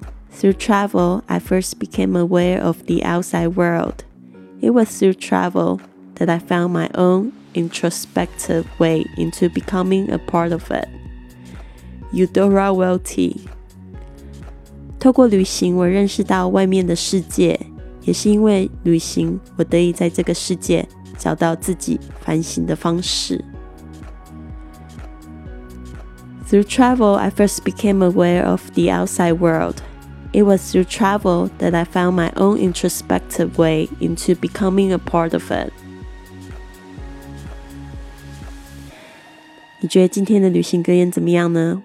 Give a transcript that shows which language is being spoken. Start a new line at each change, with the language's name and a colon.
English: Through travel, I first became aware of the outside world. It was through travel that I found my own introspective way into becoming a part of it. Eudora Welty.
Chinese: 透过旅行，我认识到外面的世界，也是因为旅行，我得以在这个世界找到自己反省的方式。
English: Through travel, I first became aware of the outside world. It was through travel that I found my own introspective way into becoming a part of it.
Chinese: 你觉得今天的旅行格言怎么样呢？